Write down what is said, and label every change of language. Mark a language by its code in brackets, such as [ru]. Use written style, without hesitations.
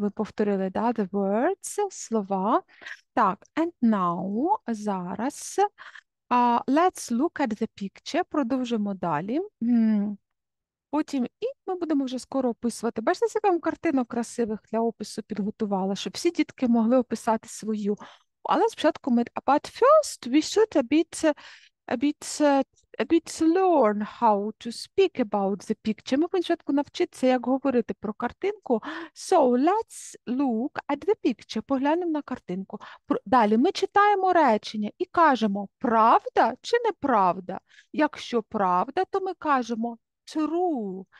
[uk] Ви повторили, да, [en] the words, [uk] слова. Так, [en] and now, [uk] зараз, [en] let's look at the picture. [uk] Продовжимо далі. Потім і ми будемо вже скоро описувати. Бачите, я вам картинок красивих для опису підготувала, щоб всі дітки могли описати свою. Але спочатку ми... [en] But first we should a bit learn how to speak about the picture. [uk] Ми будемо спочатку навчитися, як говорити про картинку. [en] So let's look at the picture. [uk] Поглянемо на картинку. Далі ми читаємо речення і кажемо, правда чи неправда? Якщо правда, то ми кажемо, true.